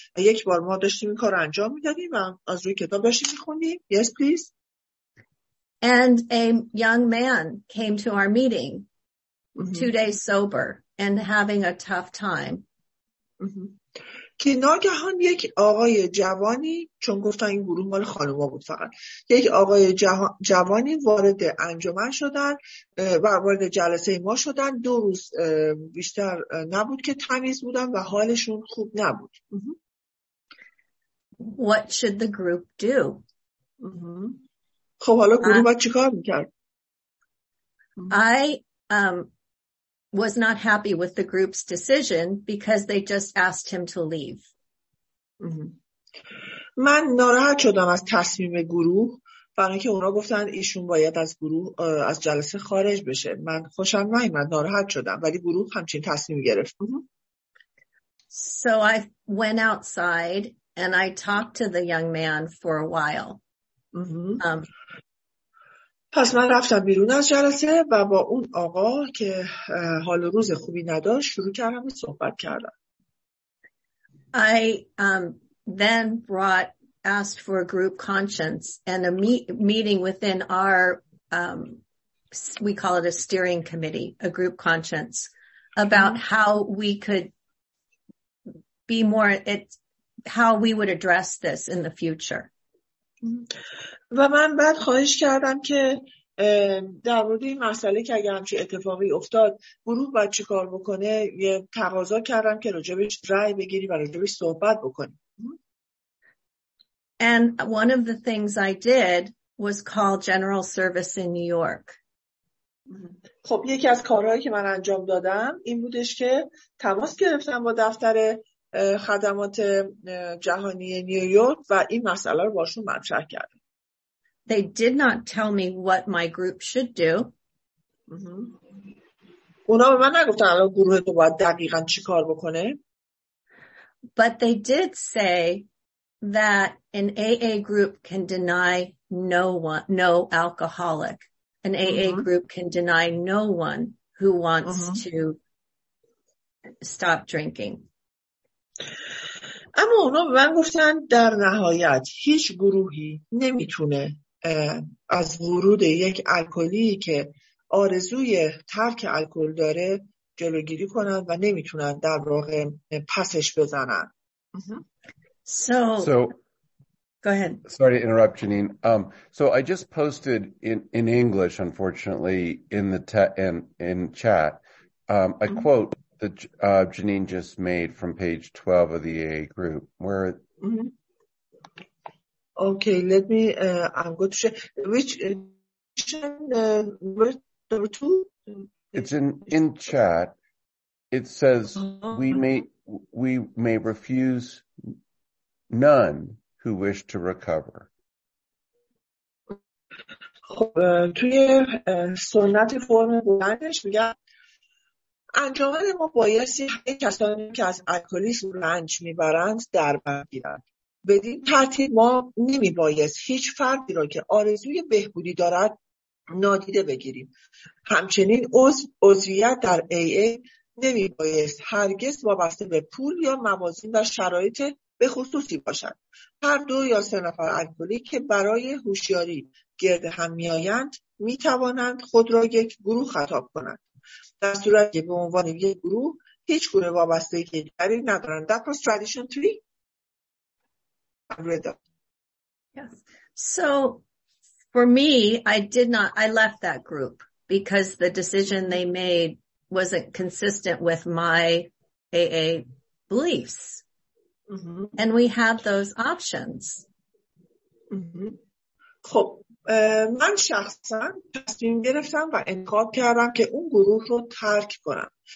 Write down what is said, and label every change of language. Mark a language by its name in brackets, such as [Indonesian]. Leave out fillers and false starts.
[Persian] یک بار ما داشتیم این کار انجام میدادیم و از روی کتاب داشتیم میخوندیم. [English] Yes please. And a young man came to our meeting two days sober and having a tough time. [Persian] که ناگهان یک آقای جوانی، چون گفتن این گروه مال خانوما بود فقط، یک آقای جوانی وارد انجمن شدن و وارد جلسه ما شدن. دو روز بیشتر نبود که تمیز بودن و حالشون خوب نبود. [English] What should the group do? [Persian] خب حالا گروه باید چی کار میکرد؟ [English] I was not happy with the group's decision because they just asked him to leave. [Persian] من ناراحت شدم از تصمیم گروه، برای اینکه اونا گفتن ایشون باید از گروه از جلسه خارج بشه. من خوشم نیومد، ناراحت شدم، ولی گروه همچین تصمیم گرفت. [English] So I went outside and I talked to the young man for a while. [Persian] پس من رفتم بیرون از جلسه و با اون آقا که حال روز خوبی نداشت شروع کردم به صحبت کردن. [English] I then asked for a group conscience and a meeting within our we call it a steering committee, a group conscience, about how we could be more it how we would address this in the future. [Persian] و من بعد خواهش کردم که در مورد این مسئله که اگر همچی اتفاقی افتاد گروه باید چی کار بکنه، یه تقاضا کردم که راجبش رأی بگیری و راجبش صحبت بکنی. [English] And one of the things I did was call General Service in New York. [Persian] خب یکی از کارهایی که من انجام دادم این بودش که تماس گرفتم با دفتر خدمات جهانی نیویورک و این مسئله رو باشون مطرح کردم. [English] They did not tell me what my group should do. [Persian] اونا به من نگفتن الان گروه تو باید دقیقاً چی کار بکنه. [English] But they did say that an AA group can deny no one, no alcoholic. An AA mm-hmm. group can deny no one who wants mm-hmm. to stop drinking. [Persian] اما اونا به من گفتن در نهایت هیچ گروهی نمیتونه از ورود یک الکلی که آرزوی ترک الکل داره جلوگیری کنن و نمیتونن در واقع پسش بزنن. [English] So go ahead. Sorry to interrupt, Janine. So I just posted in English, unfortunately, in chat, a quote that Janine just made from page 12 of the AA group. Where? Mm-hmm. Okay, let me. I'm going to share. Which number two? It's in chat. It says we may refuse none who wish to recover. [Persian] توی سنت فرم بلندش میگن انجمن ما بایستی همه کسانی که از الکلیسم رنج میبرند در بر گیرند. بدین ترتیب ما نمیبایست هیچ فردی را که آرزوی بهبودی دارد نادیده بگیریم. همچنین عضویت در AA نمیبایست هرگز وابسته به پول یا موازین و شرایط به خصوصی باشد. هر دو یا سه نفر الکلی که برای هوشیاری گرد هم می آیند می توانند خود را یک گروه خطاب کنند. در صورتی که به عنوان یک گروه هیچ گونه وابستگی دیگری ندارند. [English] That was tradition 3. Yes. So for me, I left that group because the decision they made wasn't consistent with my AA beliefs. Mm-hmm. And we have those options. Mm-hmm. [Persian] خب من شخصا تصمیم گرفتم و انتخاب کردم که اون گروه رو ترک کنم.